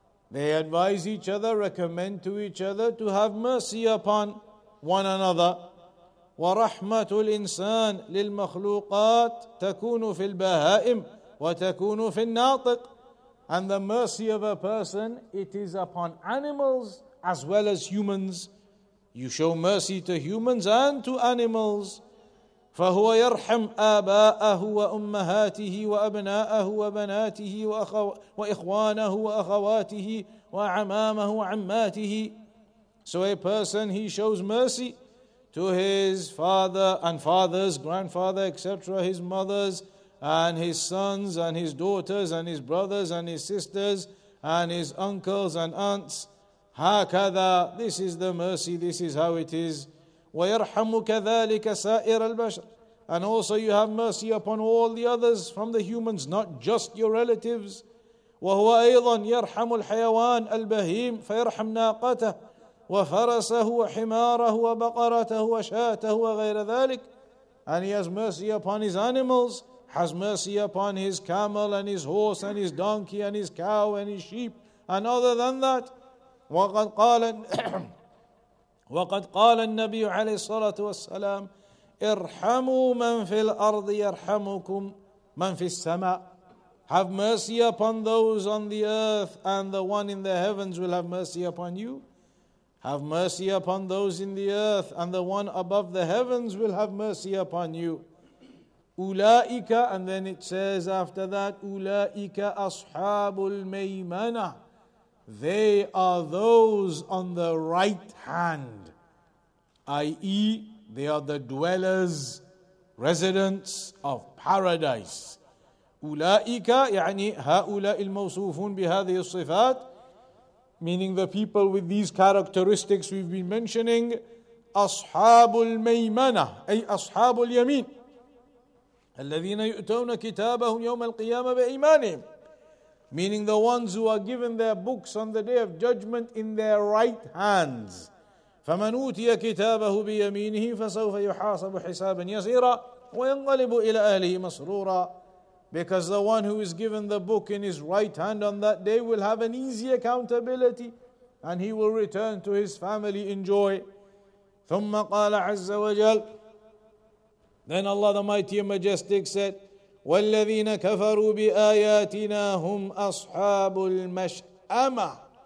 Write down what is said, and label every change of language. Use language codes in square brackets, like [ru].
[en] They advise each other, recommend to each other to have mercy upon one another. [ar] ورحمة الإنسان للمخلوقات تكون في البهائم وتكون في الناطق. [en] And the mercy of a person, it is upon animals as well as humans. You show mercy to humans and to animals. [ar] فهو يرحم آباءه وأمهاته وأبناءه وبناته وإخوانه وأخواته وعمامه وعماته. [en] So a person, he shows mercy to his father and fathers, grandfather, etc., his mothers and his sons and his daughters and his brothers and his sisters and his uncles and aunts. هكذا, this is the mercy, this is how it is. [ar] ويرحم كذلك سائر البشر. [en] And also you have mercy upon all the others from the humans, not just your relatives. [ar] وهو أيضا يرحم الحيوان البهيم فيرحم ناقته وفرسه وحماره وبقرته وشاته وغير ذلك. [en] And he has mercy upon his animals, has mercy upon his camel and his horse and his donkey and his cow and his sheep. And other than that, [ar] وقد قال النبي عليه الصلاة والسلام ارحموا من في الأرض يرحمكم من في السماء. [en] Have mercy upon those on the earth, and the one in the heavens will have mercy upon you. Have mercy upon those in the earth, and the one above the heavens will have mercy upon you. أولئك, and then it says after that, [ar] أولئك أصحاب الميمنة, [en] they are those on the right hand, i.e. they are the dwellers, residents of paradise. [ar] أولئك يعني هؤلاء الموصوفون بهذه الصفات, [en] meaning the people with these characteristics we've been mentioning, [ar] أصحاب الميمنة, أي أصحاب اليمين, الذين يؤتون كتابهم يوم القيامة بإيمانهم, [en] meaning the ones who are given their books on the day of judgment in their right hands. [ar] فمن أوتي كتابه بيمينه فسوف يحاسب حسابا يسيرا وينقلب إلى أهله مسرورا. [en] Because the one who is given the book in his right hand on that day will have an easy accountability, and he will return to his family in joy. [ar] ثم قال عز وجل, [en] then Allah the Mighty and Majestic said, [ar] وَالَّذِينَ كَفَرُوا بِآيَاتِنَا هُمْ أَصْحَابُ الْمَشْأَمَةِ.